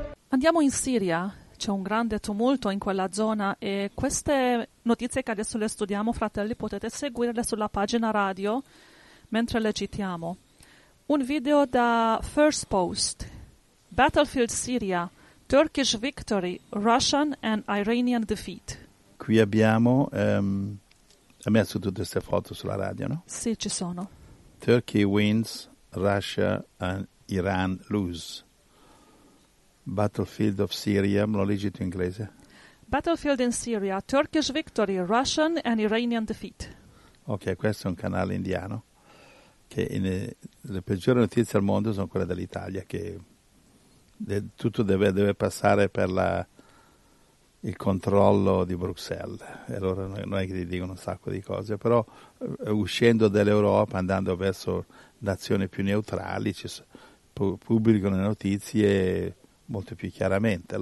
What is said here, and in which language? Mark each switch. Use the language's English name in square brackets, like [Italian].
[Italian] Andiamo in Siria, c'è un grande tumulto in quella zona, e queste notizie che adesso le studiamo, fratelli, potete seguirle sulla pagina radio mentre le citiamo. Un video da [English] First Post: Battlefield Syria, Turkish victory, Russian and Iranian defeat. [Italian] Qui abbiamo, ha messo tutte queste foto sulla radio, no? Sì, ci sono. [English] Turkey wins, Russia and Iran lose. Battlefield of Syria, [Italian] l'ho leggito in inglese. [English] Battlefield in Syria, Turkish victory, Russian and Iranian defeat. [Italian] Ok, questo è un canale indiano, che le peggiori notizie al mondo sono quelle dell'Italia, che tutto deve passare per il controllo di Bruxelles. E allora non è che gli dicono un sacco di cose, però uscendo dall'Europa, andando verso nazioni più neutrali, pubblicano le notizie molto più chiaramente.